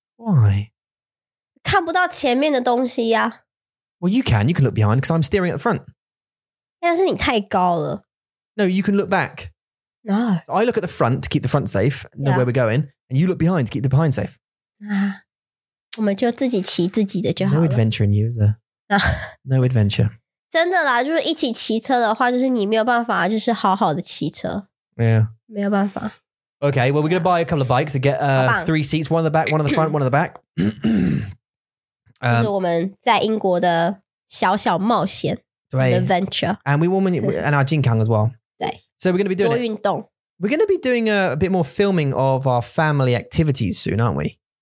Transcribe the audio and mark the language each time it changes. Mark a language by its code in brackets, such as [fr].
[en] Why? [zh] 看不到前面的东西啊。 [en] Well, you can look behind because I'm staring at the front. [zh] 但是你太高了。 [en] No, you can look back. No. So I look at the front to keep the front safe, know where we're going, and you look behind to keep the behind safe. [zh] 我们就自己骑自己的就好了。 [en] No adventure in you, is there? No adventure. [zh] 真的啦，就是一起骑车的话，就是你没有办法就是好好的骑车。 [en] Yeah. [zh] 没有办法。 [en] Okay, well, we're going to buy a couple of bikes and get three seats, one in the back, one in the front, one in the back. [zh] 这是我们在英国的小小冒险 adventure. [en] And we want to, and our 健康 as well. [zh] 对。 [en] So we're going to be doing [zh] 多运动。 [en] We're going to be doing a bit more filming of our family activities soon, aren't we?